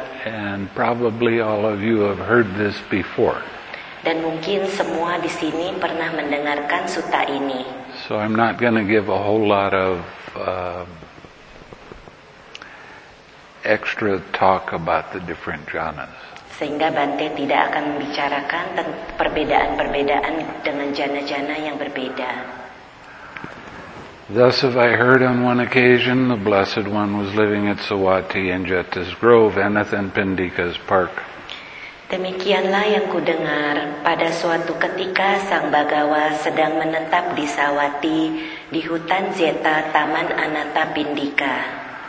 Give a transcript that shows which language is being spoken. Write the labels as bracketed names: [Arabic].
[English] And probably all of you have heard this before. [Indonesian] Dan mungkin semua di sini pernah mendengarkan sutta ini. [English] So I'm not going to give a whole lot of extra talk about the different jhanas. [Indonesian] Sehingga Bante tidak akan membicarakan perbedaan-perbedaan dengan jhana-jhana yang berbeda. [English] Thus have I heard on one occasion the Blessed One was living at Sawati in Jetta's Grove, Anath and Pindika's Park. [Indonesian] Demikianlah yang kudengar, pada suatu ketika Sang Bhagawa sedang menetap di Sawati di hutan Zeta Taman Anatha Pindika.